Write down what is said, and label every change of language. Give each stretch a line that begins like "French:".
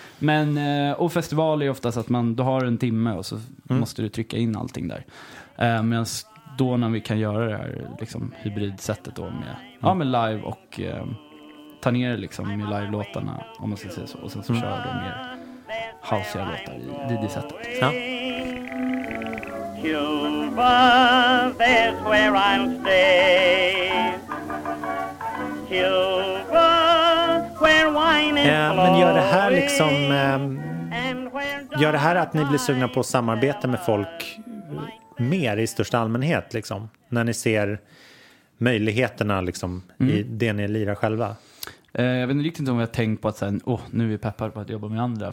Swedish: Men och festival är ofta så att man då har en timme och så måste du trycka in allting där. Medan då när vi kan göra det här liksom hybridsättet då med med live och ta ner liksom med live låtarna om man ska säga så, och sen så kör de mer houseiga låtar i DJ-sättet. Ja.
English: Cuba, that's where I'll stay. Cuba, where wine is flowing.
Swedish: Men gör det här liksom gör det här att ni blir sugna på att samarbeta med folk mer i största allmänhet liksom, när ni ser möjligheterna liksom, i det ni lirar själva? Jag vet inte riktigt om jag har tänkt på att sen, oh, nu är vi peppar på att jobba med andra.